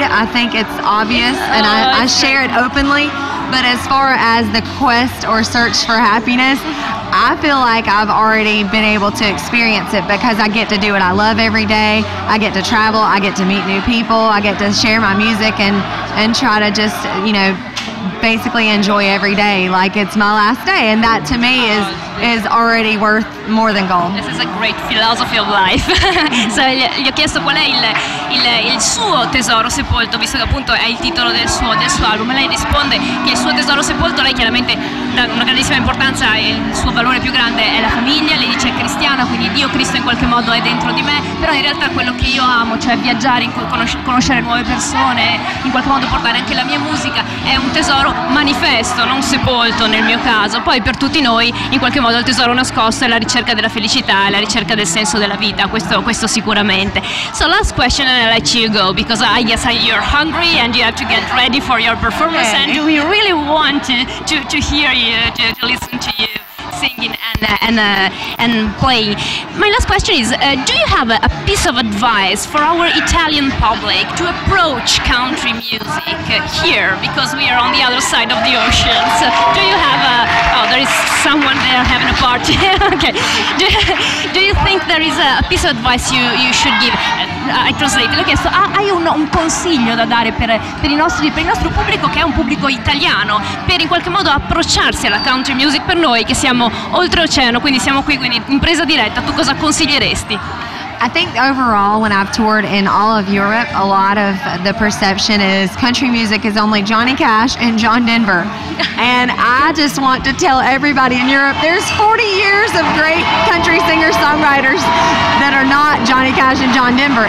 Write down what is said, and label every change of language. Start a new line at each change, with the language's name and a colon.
English: I think it's obvious, and I share it openly, but as far as the quest or search for happiness, I feel like I've already been able to experience it, because I get to do what I love every day. I get to travel, I get to meet new people, I get to share my music and try to just, you know, basically enjoy every day like it's my last day, and that to me is already worth more than gold. This is a great philosophy of life.
Italian: So gli ho chiesto qual è il suo tesoro sepolto, visto che appunto è il titolo del suo album. Lei risponde che il suo tesoro sepolto, lei chiaramente dà una grandissima importanza, il suo valore più grande è la famiglia, lei dice è cristiana, quindi Dio Cristo in qualche modo è dentro di me, però in realtà quello che io amo, cioè viaggiare, conoscere nuove persone, in qualche modo portare anche la mia musica, è un tesoro manifesto, non sepolto nel mio caso. Poi per tutti noi in qualche modo il tesoro nascosto è la ricerca della felicità, è la ricerca del senso della vita, questo sicuramente.
English: So last question and I let you go, because I guess you're hungry and you have to get ready for your performance, okay. And we really want to hear you, to listen to you singing and playing. My last question is, do you have a piece of advice for our Italian public to approach country music here, because we are on the other side of the ocean? So do you have there is someone there having a party. Okay. Do you think there is a piece of advice you should give? I translate.
Italian: Ho chiesto, hai un consiglio da dare per il nostro pubblico, che è un pubblico italiano, per in qualche modo approcciarsi alla country music, per noi che siamo oltreoceano, quindi siamo qui, quindi in presa diretta, tu cosa consiglieresti?
English: I think overall, when I've toured in all of Europe, a lot of the perception is country music is only Johnny Cash and John Denver. And I just want to tell everybody in Europe, there's 40 years of great country singer-songwriters that are not Johnny Cash and John Denver.